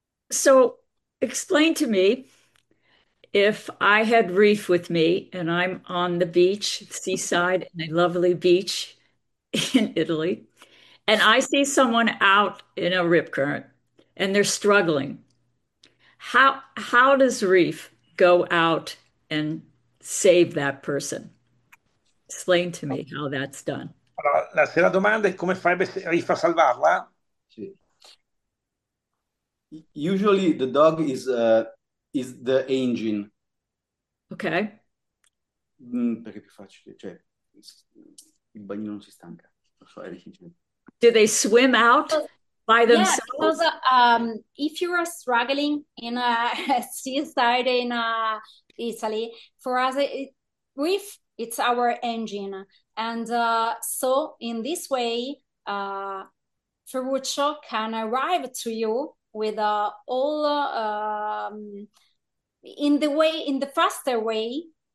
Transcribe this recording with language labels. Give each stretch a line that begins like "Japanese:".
English: So, explain to me if I had reef with me and I'm on the beach, seaside, in a lovely beach in Italy, and I see someone out in a rip current and they're struggling. How does reef go out and save that person? Explain to me how that's done.
Italian: Allora, se la domanda è come farebbe Riff a salvarla?
English: Usually the dog is the engine. Ok.
Italian: Perché è più facile, cioè il bagnino non si stanca. Lo so, è difficile.
English: Do they swim out by Yeah, themselves? because if you are struggling in a seaside in Italy, for us, it's our engine. And so in this way, Ferruccio can arrive to you with all in the faster way.